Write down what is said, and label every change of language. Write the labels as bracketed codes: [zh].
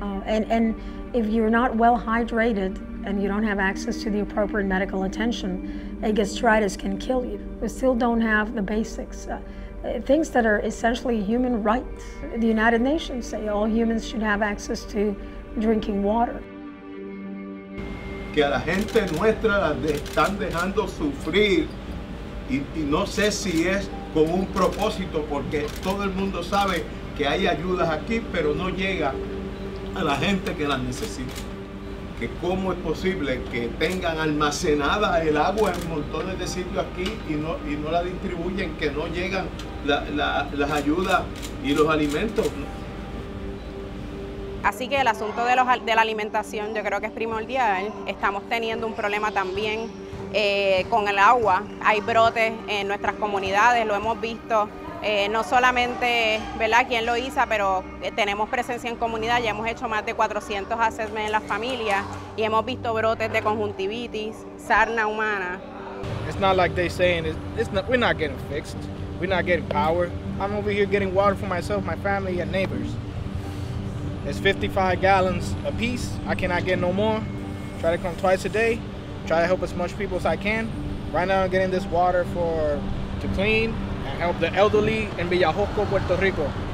[en] And if you're not well hydrated and you don't have access to the appropriate medical attention, a gastritis can kill you. We still don't have the basics, things that are essentially human rights. The United Nations say all humans should have access to drinking water. [es] Que a la gente nuestra la están dejando sufrir y no sé si es con un propósito porque todo el mundo sabe que hay ayudas aquí, pero no llega a la gente que las necesita. Que cómo es posible que tengan almacenada el agua en montones de sitios aquí y no la distribuyen, que no llegan las ayudas y los alimentos. Así que el asunto de la alimentación yo creo que es primordial. Estamos teniendo un problema también con el agua. Hay brotes en nuestras comunidades, lo hemos visto. No solamente, ¿verdad?, aquí en Loíza, pero tenemos presencia en comunidad. Ya hemos hecho más de 400 assessments en las familias y hemos visto brotes de conjuntivitis, sarna humana. [en] It's not like they're saying, we're not getting fixed. We're not getting power. I'm over here getting water for myself, my family, and neighbors. It's 55 gallons a piece. I cannot get no more. Try to come twice a day. Try to help as much people as I can. Right now I'm getting this water to clean and help the elderly in Villajoco, Puerto Rico.